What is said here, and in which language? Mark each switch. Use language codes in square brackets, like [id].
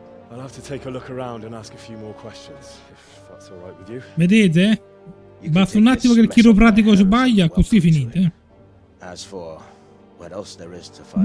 [en] I'll have to take a look around and ask a few more questions, if that's all right with you. [it] Vedete? Basta un attimo che il chiropratico sbaglia, così finite. [en] As for what else there is to find.